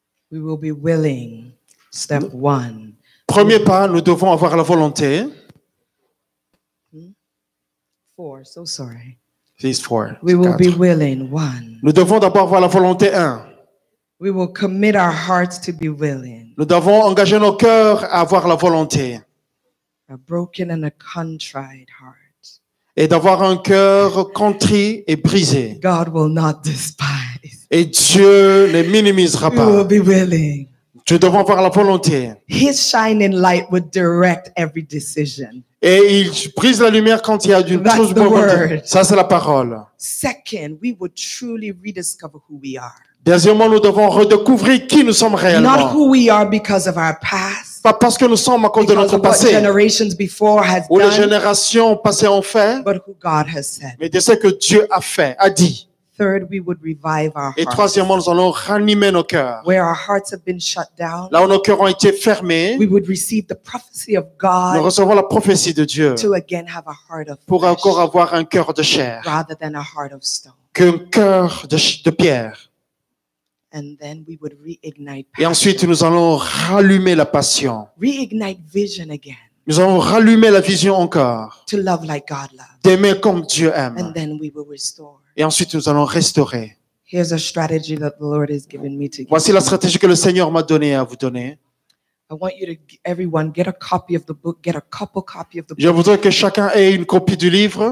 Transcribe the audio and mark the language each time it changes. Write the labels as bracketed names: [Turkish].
[English] We will be willing. Step one. [French] Premier pas, nous devons avoir la volonté. [English] Four, so sorry. These four. We will be willing. One. [French] Nous devons d'abord avoir la volonté. Un. [English] We will commit our hearts to be willing. [French] Nous devons engager nos cœurs à avoir la volonté. [English] A broken and a contrite heart. [French] Et d'avoir un cœur contrit et brisé. [English] God will not despise. [French] Et Dieu ne minimisera pas. [English] We will be willing. [French] Nous devons avoir la volonté. [English] His shining light would direct every decision. [French] Et il brise la lumière quand il y a une chose bonne. Ça, c'est la parole. [English] Second, we would truly rediscover who we are. [French] Deuxièmement, nous devons redécouvrir qui nous sommes réellement. [English] Not who we are because of our past. [French] Pas parce que nous sommes à cause de notre passé ou les générations passées ont fait, [English] but who God has said. [French] Mais de ce que Dieu a fait, a dit. [English] Third, we would revive our hearts. [French] Et troisièmement, nous allons ranimer nos cœurs. [English] Where our hearts have been shut down, [French] là où nos cœurs ont été fermés, [English] we would receive the prophecy of God, [French] nous recevons la prophétie de Dieu [English] to again have a heart of flesh, [French] pour encore avoir un cœur de chair [English] rather than a heart of stone. [French] Qu'un cœur de pierre. [English] And then we would reignite [French] passion. Et ensuite, nous allons rallumer la passion. [English] Reignite vision again. [French] Nous allons rallumer la vision encore. [English] To love like God loves. [French] D'aimer comme Dieu aime. [English] And then we will restore. [French] Et ensuite, nous allons restaurer. [English] Here's a strategy that the Lord has given me to give. [French] Voici la stratégie que le Seigneur m'a donnée à vous donner. [English] I want you to everyone get a copy of the book, get a couple copy of the book. [French] Je voudrais que chacun ait une copie du livre.